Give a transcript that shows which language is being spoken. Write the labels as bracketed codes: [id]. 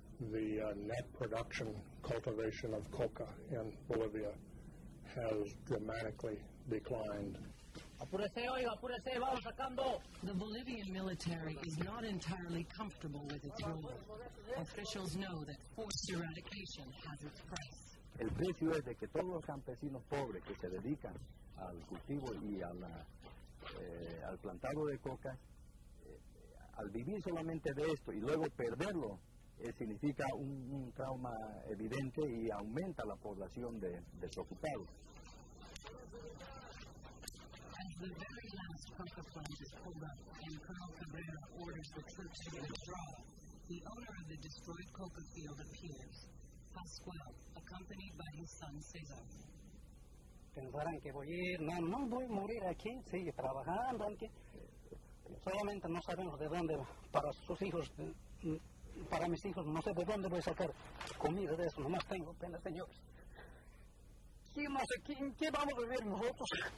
[en] The net production cultivation of coca in Bolivia has dramatically declined. The Bolivian military is not entirely comfortable with its role. Officials know that forced eradication has its price. [es] El precio es de que todos los campesinos pobres que se dedican al cultivo y a la, al plantado de coca, al vivir solamente de esto y luego perderlo, significa un trauma evidente y aumenta la población de desocupados. [en] As the very last coca plant is pulled up and Colonel Cabrera orders the troops to withdraw, the owner of the destroyed coca field appears, Pascual, accompanied by his son Cesar. [es] Pensarán que voy a ir, no, no voy a morir aquí, sigue trabajando, aunque solamente no sabemos de dónde para sus hijos, para mis hijos, no sé de dónde voy a sacar comida de eso, nomás tengo pena, señores. ¿Quién más aquí? ¿Qué vamos a vivir nosotros?